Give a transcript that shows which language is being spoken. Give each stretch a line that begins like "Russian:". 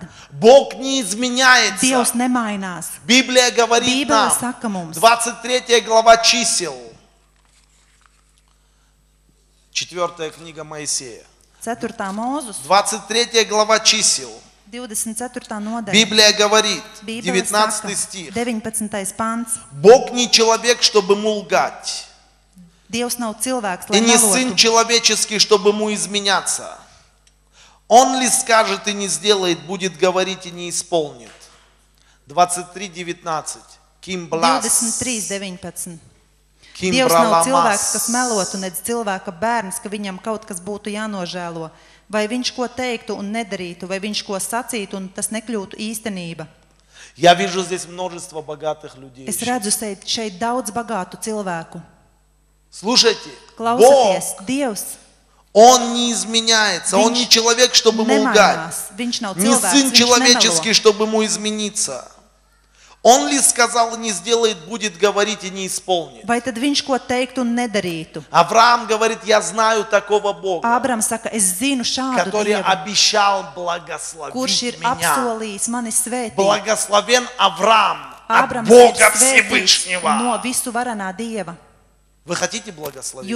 Russian: Бог не изменяется. Библия говорит нам, 23 глава чисел, 4 книга Моисея, 23 глава чисел, Библия говорит, 19 стих, Бог не человек, чтобы ему лгать,
Latvian: Dievs nav cilvēks,
Russian: и не сын человеческий, чтобы ему изменяться. Он ли скажет и не сделает, будет говорить и не исполнит. 23:19. Ким блас. 23:19.
Latvian: Ким Dievs nav cilvēks, kas melotu, nedz cilvēka bērns, ka viņam kaut kas būtu jānožēlo, vai viņš ko teiktu un nedarītu, vai viņš ko sacītu un tas nekļūtu īstenība.
Russian: Я вижу здесь множество богатых людей.
Latvian: Es redzu šeit daudz bagātu cilvēku.
Russian: Слушайте,
Latvian: Klausaties,
Russian: Бог,
Latvian: Dievs,
Russian: он не изменяется, он не человек, чтобы ему лгать, не сын человеческий,
Latvian: nemelo.
Russian: Чтобы ему измениться. Он ли сказал, не сделает, будет говорить и не исполнит.
Latvian: Vai tad viņš ko teikt un nedarītu?
Russian: Авраам говорит, я знаю такого Бога,
Latvian: Ābram saka, es zinu šādu
Russian: который
Latvian: Dievu,
Russian: обещал благословить
Latvian: kurš ir
Russian: меня.
Latvian: Apsolījis mani svētīt.
Russian: Благословен Авраам от Бога Всевышнего.
Latvian: No visu varanā Dieva.
Russian: Вы хотите благословения?